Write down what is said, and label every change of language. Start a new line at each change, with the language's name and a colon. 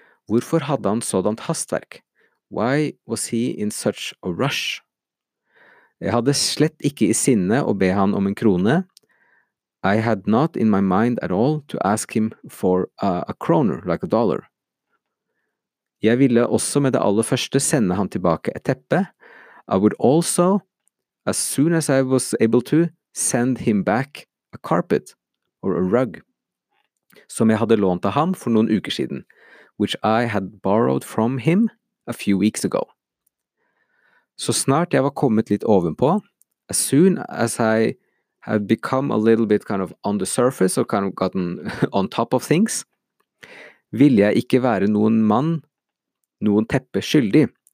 Norwegian: Hvorfor hadde han sådant hastverk?
English: Why was he in such a rush?
Norwegian: Jeg hadde slett ikke i sinne å be han om en krone.
English: I had not in my mind at all to ask him for a kroner, like a dollar.
Norwegian: Jeg ville også med det aller første sende han tilbake et teppe.
English: I would also, as soon as I was able to, send him back a carpet or a rug,
Norwegian: som jeg hadde lånt av ham for noen uker siden,
English: which I had borrowed from him a few weeks ago.
Norwegian: Så snart jeg var kommet litt ovenpå,
English: as soon as I had become a little bit kind of on the surface, or kind of gotten on top of things,
Norwegian: ville jeg ikke være noen mann, noen teppe skyldig.